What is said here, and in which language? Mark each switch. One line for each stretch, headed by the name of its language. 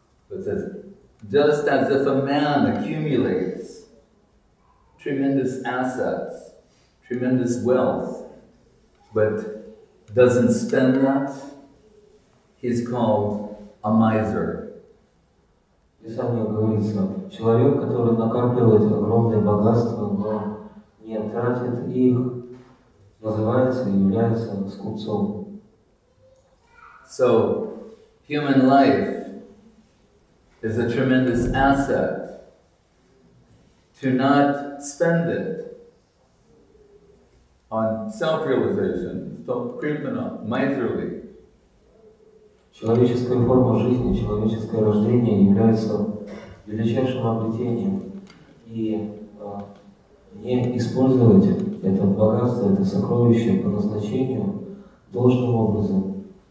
English: It says, just as if a man accumulates tremendous assets, tremendous wealth, but doesn't spend that, he's called a miser.
Russian: Писание говорится, человек, который накапливает огромные богатства, но не тратит их, называется и является скупцом.
English: So, human life is a tremendous asset. To not spend it on self-realization, so creeping up, miserly.
Russian: Человеческая форма жизни, человеческое рождение является величайшим обретением, и не использовать это богатство, это сокровище по назначению должным образом.